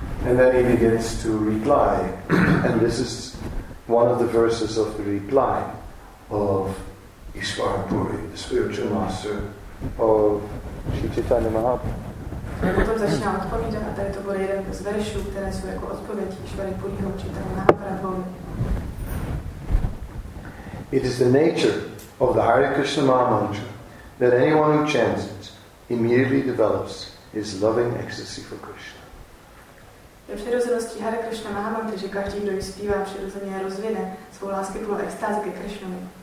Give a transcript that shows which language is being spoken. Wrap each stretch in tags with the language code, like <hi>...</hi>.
<en>And then he begins to reply. And this is one of the verses of the reply of Ishvara Puri, the spiritual master of Sri Chaitanya Mahaprabhu.</en> <cs>Potom začíná odpovídat a tady to bude jeden z veršů, které jsou jako odpověď Ishvary Puriho učitele Mahaprabhovi.</cs> <en>It is the nature of the Hare Krishna Maha Mantra that anyone who chants it immediately develops his loving ecstasy for Krishna.</en> <cs>Je přirozeností Hare Krishna Maha Mantra, že každý, kdo ji zpívá, přirozeně rozvine svou lásky plnou extázy ke Krishnovi.</cs>